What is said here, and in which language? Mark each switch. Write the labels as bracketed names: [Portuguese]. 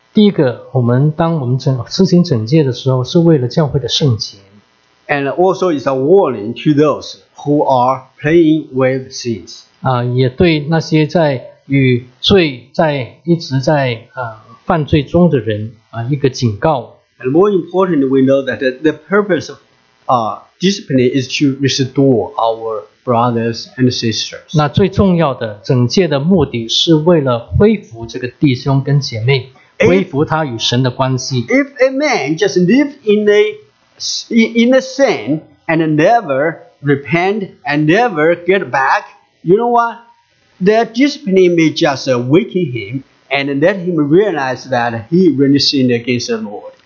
[Chinese] 第一个，我们当我们执行惩戒的时候，是为了教会的圣洁。 [English] And also it's a warning to those who are playing with sins. [Chinese] 也对那些在与罪在一直在犯罪中的人一个警告。 [English] And more importantly, we know that the purpose of discipline is to restore our brothers and sisters. [Chinese] 那最重要的整戒的目的是为了恢复这个弟兄跟姐妹, 恢复他与神的关系。 [English] If a man just live in a sin and never repent and never get back, you know what? That discipline may just awaken him and let him realize that he really sinned against the Lord.